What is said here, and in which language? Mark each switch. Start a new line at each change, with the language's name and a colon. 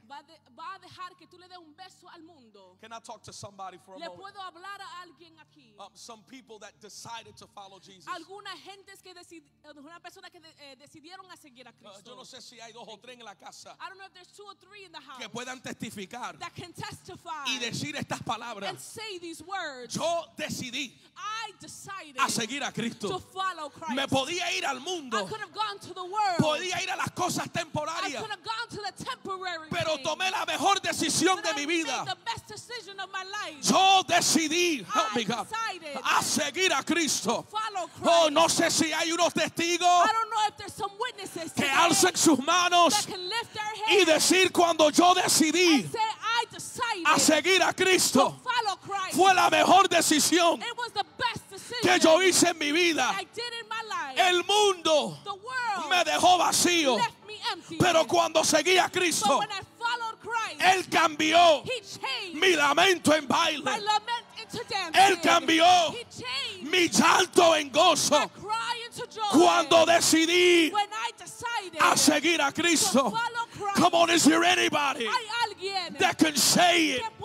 Spanish: Va a dejar que tú le dé un beso al mundo.
English: Can I talk to somebody for a
Spanish: le
English: moment?
Spanish: Le puedo hablar a alguien aquí.
English: Some people that decided to follow Jesus.
Spanish: Algunas gentes que una persona que decidieron a seguir a Cristo. Yo no sé si hay dos o tres en la casa.
English: I don't know if there's two or three in the house.
Spanish: Que puedan testificar.
English: That can testify.
Spanish: Y decir estas palabras.
English: And say these words.
Spanish: Yo decidí.
English: I decided.
Spanish: A seguir a Cristo.
English: To follow Christ.
Spanish: Me podía ir al mundo.
English: I could have gone to the world.
Spanish: Podía ir a las cosas temporarias.
English: I could have gone to the temporary thing.
Spanish: Pero tomé la mejor decisión
English: but
Spanish: de mi vida.
English: I made the best decision of my life.
Spanish: Yo decidí,
English: help me God,
Spanish: a seguir a Cristo.
English: Follow Christ. Christ.
Spanish: Oh, no sé si hay unos testigos.
English: I don't know if there's some witnesses
Spanish: que alcen sus manos
English: that can lift their hands
Spanish: y decir cuando yo decidí
English: and say, I
Spanish: a seguir a Cristo
English: to follow Christ.
Spanish: Fue la mejor decisión
English: it was the best decision
Spanish: que yo hice en mi vida.
English: I did in my life.
Spanish: El mundo
English: the world
Spanish: me dejó vacío.
English: Left me empty.
Spanish: Pero cuando seguí a Cristo,
English: but when I followed Christ,
Spanish: Él cambió
English: he changed
Spanish: mi lamento en baile.
English: My lament
Spanish: Él cambió mi llanto en gozo cuando decidí a seguir a Cristo.
English: Come on, is there anybody that can say it?